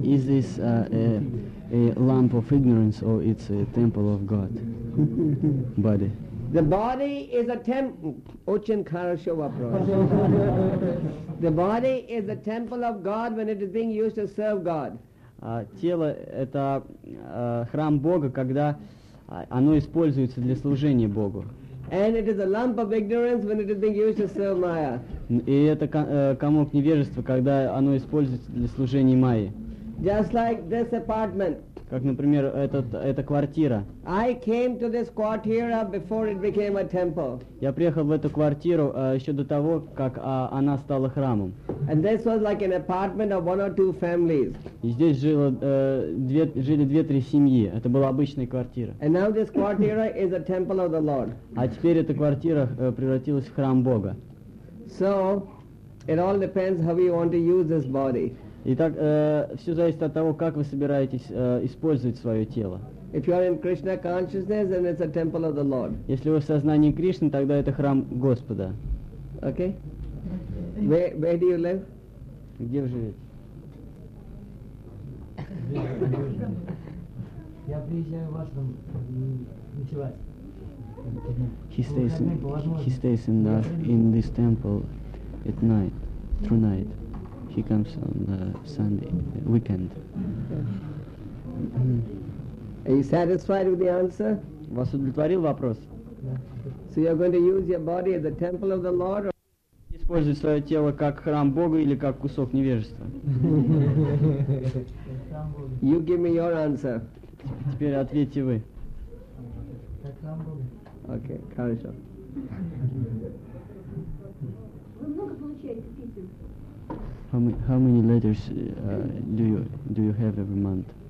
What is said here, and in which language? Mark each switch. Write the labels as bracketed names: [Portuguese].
[English] Is this a lamp of ignorance or it's a temple of God? Body. The body is a temple. The body is a temple of God when it is being used to serve God. [Russian] Тело – это храм Бога, когда оно используется для служения Богу. [English] And it is a lump of ignorance when it is being used to serve Maya. [Russian] И это комок невежества, когда оно используется для служения Майи. [English] Just like this apartment. [Russian] Как, например, эта квартира. [English] I came to this quarter before it became a temple. [Russian] Я приехал в эту квартиру еще до того, как она стала храмом. [English] And this was like an apartment of one or two families. [Russian] И здесь жили 2-3 семьи. Это была обычная квартира. [English] And now this quarter is a temple of the Lord. [Russian] А теперь эта квартира превратилась в храм Бога. [English] So, it all depends how we want to use this body. [Russian] Итак, все зависит от того, как вы собираетесь использовать свое тело. [English] If you are in Krishna consciousness, then it's a temple of the Lord. [Russian] Если вы в сознании Кришны, тогда это храм Господа. [English] Okay. Where do you live? [Russian] Где вы живете? Я приезжаю в ваш дом ночевать. [English] He stays in this temple at night, through night. He comes on the Sunday, weekend. Are you satisfied with the answer? [Russian] Вас удовлетворил вопрос? [English] So you're going to use your body as the temple of the Lord? [Russian] Использовать свое тело как храм Бога или как кусок невежества? [English] You give me your answer. [Russian] Теперь ответьте вы. Как храм Бога. Окей, хорошо. Вы много получаете писем? [English] How many letters do you have every month?